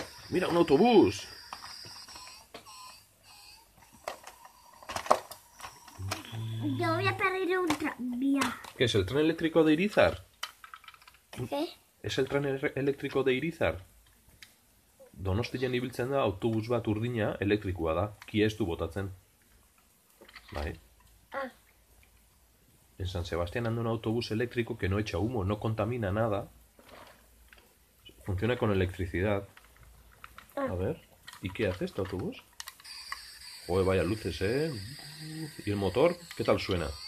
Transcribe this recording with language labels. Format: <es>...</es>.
<es>Mira, un autobús. Yo voy a pedir un tranvía. ¿Qué es el tren eléctrico de Irizar? ¿Qué? Es el tren eléctrico de Irizar.</es> <eu>Donostian ibiltzen da autobus bat urdina elektrikoa da. Kia ez du botatzen. Bai.</eu> <es>En San Sebastián anda un autobús eléctrico que no echa humo, no contamina nada. Funciona con electricidad. A ver, ¿y qué hace este autobús? Joder, vaya luces, ¿eh? ¿Y el motor? ¿Qué tal suena?</es>